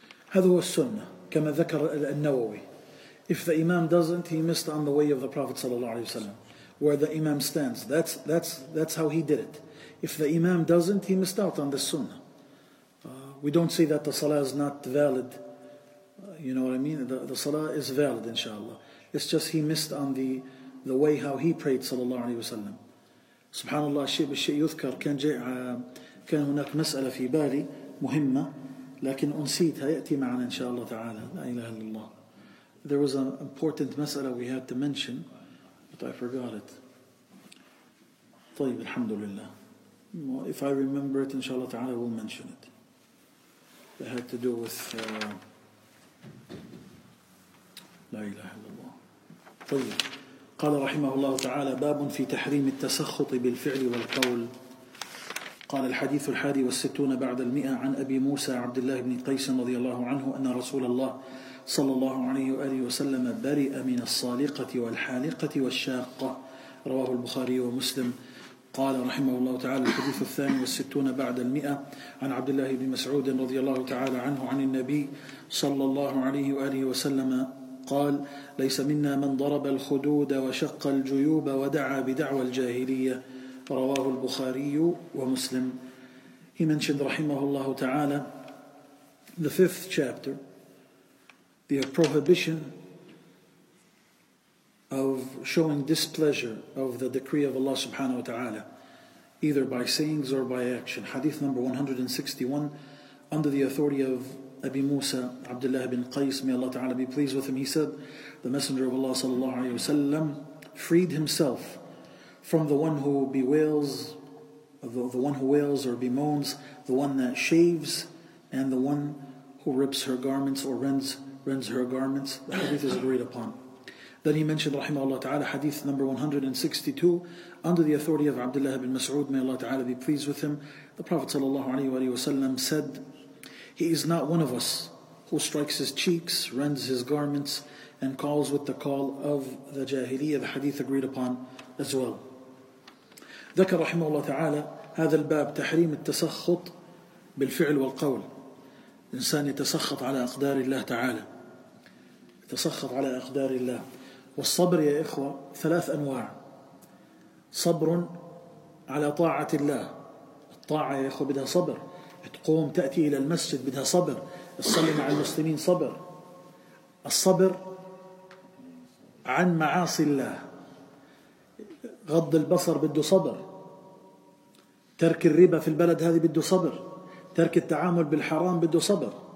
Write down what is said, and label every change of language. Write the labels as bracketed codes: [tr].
[ar] هذا هو السنة كما ذكر النووي. [en] If the imam doesn't, he missed on the way of the Prophet صلى الله عليه وسلم. Where the imam stands, that's how he did it. If the imam doesn't, he missed out on the sunnah. We don't say that the salah is not valid. You know what I mean? The salah is valid, inshallah. It's just he missed on the way how he prayed, sallallahu alaihi wasallam. [ar] Subhanallah, الشيء بالشيء يذكر. كان هناك مسألة في بالي مهمة، لكن أنسيتها، يأتي معنا إن شاء الله تعالى. لا إله إلا الله. [en] There was an important مسألة we had to mention. But I forgot it. [ar] طيب الحمد لله. [en] Well, if I remember it, inshallah ta'ala, I will mention it. It had to do with لا إله إلا الله. [ar] طيب. قال رحمه الله تعالى باب في تحريم التسخط بالفعل والقول. قال الحديث 61 بعد 100 عن أبي موسى عبد الله بن قيس رضي الله عنه أن رسول الله صلى الله عليه وآله وسلم برئ من الصالقة والحالقة والشاقة، رواه البخاري ومسلم. قال رحمه الله تعالى الحديث 62 بعد 100 عن عبد الله بن مسعود رضي الله تعالى عنه عن النبي صلى الله عليه وآله وسلم قال: ليس منا من ضرب الخدود وشق الجيوب ودعا بدعوى الجاهلية. رواه البخاري ومسلم. [en] He mentioned رحمه الله تعالى the fifth chapter, the prohibition of showing displeasure of the decree of Allah subhanahu wa ta'ala, either by sayings or by action. Hadith number 161, under the authority of Abi Musa Abdullah bin Qais, may Allah ta'ala be pleased with him, he said, the Messenger of Allah sallallahu alayhi wa sallam freed himself from the one who bewails, the one who wails or bemoans, the one that shaves, and the one who rips her garments or rends her garments. The hadith is agreed upon. Then he mentioned, rahimahullah ta'ala, hadith number 162, under the authority of Abdullah ibn Mas'ud, may Allah ta'ala be pleased with him, the Prophet sallallahu alayhi wa sallam said, he is not one of us who strikes his cheeks, rends his garments, and calls with the call of the jahiliyyah. The hadith agreed upon as well. [ar] ذكر رحمه الله تعالى هذا الباب تحريم التسخط بالفعل والقول. الإنسان يتسخط على أقدار الله تعالى, يتسخط على أقدار الله. والصبر يا إخوة ثلاث أنواع: صبر على طاعة الله, الطاعة يا إخوة بدها صبر, تقوم تأتي إلى المسجد بدها صبر, تصلي مع المسلمين صبر, الصبر عن معاصي الله, غض البصر بده صبر, ترك الربا في البلد هذه بده صبر, ترك التعامل بالحرام بده صبر.